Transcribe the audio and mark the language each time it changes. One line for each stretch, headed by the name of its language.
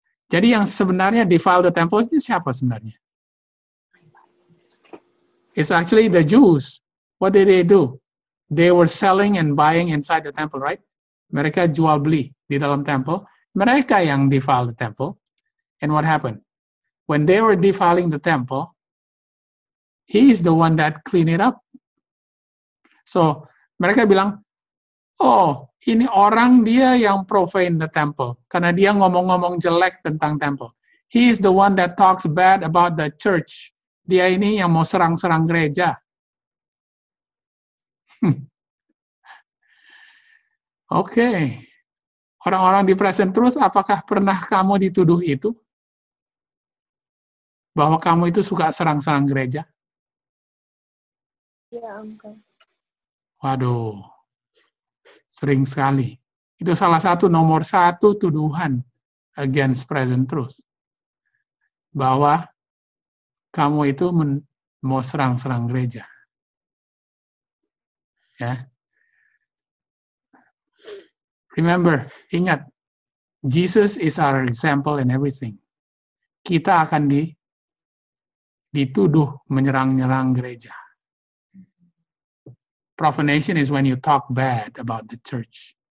Indonesian: Jadi yang sebenarnya
English: defile the temple
Indonesian: ini siapa sebenarnya?
English: It's actually the Jews. What did they do? They were selling and buying inside the temple, right?
Indonesian: Mereka jual beli di dalam temple. Mereka yang
English: defile the temple. And what happened? When they were defiling the temple, he is the one that clean it up.
Indonesian: So, mereka bilang, oh, ini orang dia yang
English: profane the temple.
Indonesian: Karena dia ngomong-ngomong jelek tentang temple.
English: He is the one that talks bad about the church.
Indonesian: Dia ini yang mau serang-serang gereja. Okay. Orang-orang di present truth, apakah pernah kamu dituduh itu? Bahwa kamu itu suka serang-serang gereja? Ya, Uncle. Waduh. Sering sekali. Itu salah satu, nomor satu tuduhan
English: against present truth.
Indonesian: Bahwa kamu itu mau serang-serang gereja. Ya.
English: Remember,
Indonesian: ingat,
English: Jesus is our example in everything.
Indonesian: Kita akan dituduh menyerang-nyerang gereja.
English: Profanation is when you talk bad about the church.